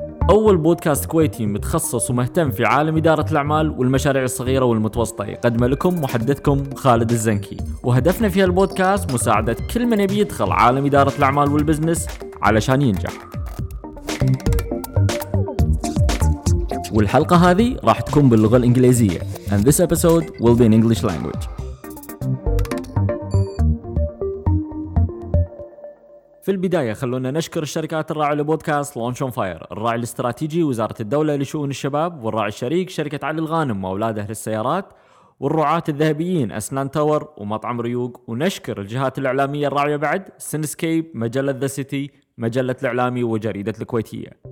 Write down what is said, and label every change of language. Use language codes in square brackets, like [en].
[ar] أول بودكاست كويتي متخصص ومهتم في عالم إدارة الأعمال والمشاريع الصغيرة والمتوسطة يقدم لكم محدثكم خالد الزنكي، وهدفنا في هالبودكاست مساعدة كل من يبي يدخل عالم إدارة الأعمال والبزنس علشان ينجح. والحلقة هذه راح تكون باللغة الإنجليزية. [en] And this episode will be in English language. [ar] في البداية خلونا نشكر الشركات الراعية لبودكاست لونش اون فاير، الراعي الاستراتيجي وزارة الدولة لشؤون الشباب، والراعي الشريك شركة علي الغانم وأولاده للسيارات، والرعاة الذهبيين أسنان تاور ومطعم ريوق. ونشكر الجهات الإعلامية الراعية بعد سينسكيب، مجلة ذا سيتي، مجلة الإعلامي وجريدة الكويتية.